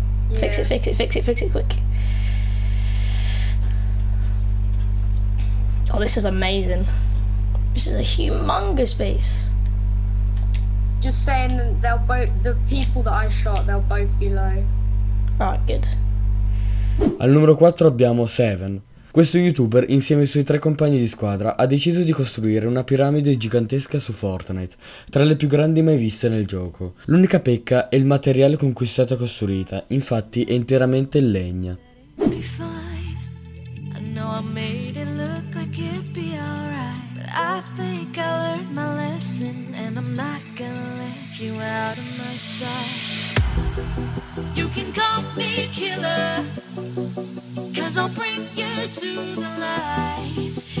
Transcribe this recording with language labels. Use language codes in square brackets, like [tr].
[en] Yeah. Fix it quick. Oh, this is amazing. This is a humongous base. Just saying, the people that I shot, they'll both be low. Alright, good. [it] Al numero 4 abbiamo Seven. Questo youtuber, insieme ai suoi 3 compagni di squadra, ha deciso di costruire una piramide gigantesca su Fortnite, tra le più grandi mai viste nel gioco. L'unica pecca è il materiale con cui è stata costruita, infatti è interamente in legna. [en] Be fine. I know I made it look like it'd be alright, but I think I learned my lesson. I'm not gonna let you out of my sight. You can call me killer, 'cause I'll bring you to the light.